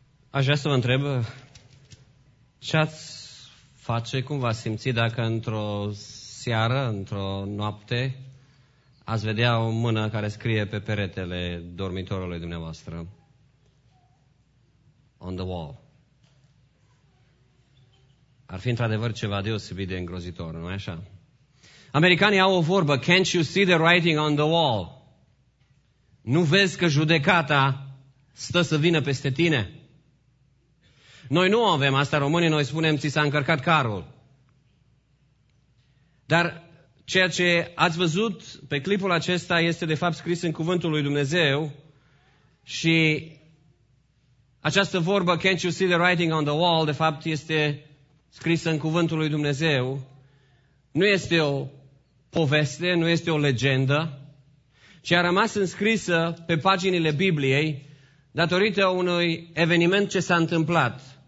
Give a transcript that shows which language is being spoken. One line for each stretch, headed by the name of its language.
Romanian: Aș vrea să vă întreb ce ați face, cum v-ați simți dacă într-o seară, într-o noapte, ați vedea o mână care scrie pe peretele dormitorului dumneavoastră?
English: On the wall.
Romanian: Ar fi într-adevăr ceva deosebit de îngrozitor, nu-i așa? Americanii au o vorbă,
English: can't you see the writing on the wall?
Romanian: Nu vezi că judecata stă să vină peste tine? Noi nu avem asta, românii, noi spunem, ți s-a încărcat carul. Dar ceea ce ați văzut pe clipul acesta este de fapt scris în cuvântul lui Dumnezeu și această vorbă,
English: can't you see the writing on the wall,
Romanian: de fapt este scrisă în cuvântul lui Dumnezeu, nu este o poveste, nu este o legendă, ci a rămas înscrisă pe paginile Bibliei datorită unui eveniment ce s-a întâmplat.